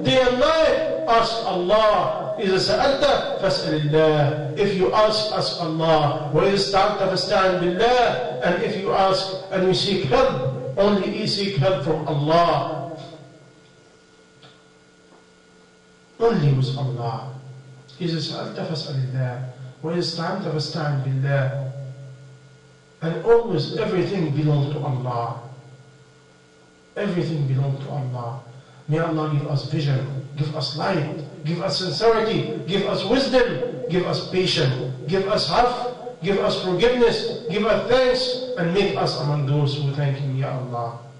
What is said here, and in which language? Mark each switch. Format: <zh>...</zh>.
<en>Day and night, ask Allah.</en> <ar>إِذَا سَأَلْتَ فَاسْأَلِ اللَّهِ</ar> <en>If you ask, ask Allah.</en> <ar>وَإِذَا اسْتَعَنْتَ فَاسْتَعَنْ بِاللَّهِ</ar> <en>And if you ask and you seek help, only you seek help from Allah. Only with Allah.</en> <ar>إِذَا سَأَلْتَ فَاسْأَلِ اللَّهِ وَإِذَا اسْتَعَنْتَ فَاسْتَعَنْ بِاللَّهِ</ar> <en>And always everything belongs to Allah. Everything belongs to Allah. May Allah give us vision, give us light, give us sincerity, give us wisdom, give us patience, give us haf, give us forgiveness, give us thanks, and make us among those who thank Him, Ya Allah.</en>